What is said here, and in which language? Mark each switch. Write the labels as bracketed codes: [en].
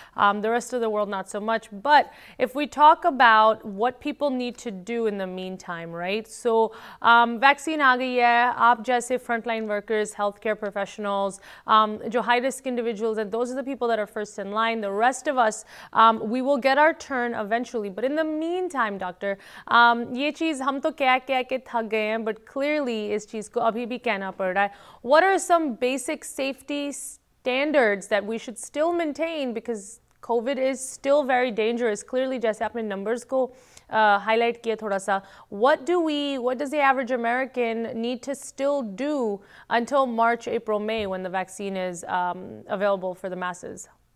[en] The rest of the world, not so much. But if we talk about what people need to do in the meantime, right? So vaccine [hi] आ गई है, आप जैसे [en] frontline workers, healthcare professionals, जो high risk individuals, and those are the people that are first in line. The rest of us, we will get our turn eventually. But in the meantime, doctor, [hi] ये चीज़ हम तो क्या क्या के थक गए हैं, but clearly इस चीज़ को अभी भी कहना पड़ रहा है। [en] What are some basic safety standards that we should still maintain, because COVID is still very dangerous? Clearly, [hi] जैसे आपने numbers को highlight किया थोड़ा सा, [en] what does the average American need to still do until March, April, May, when the vaccine is available for the masses?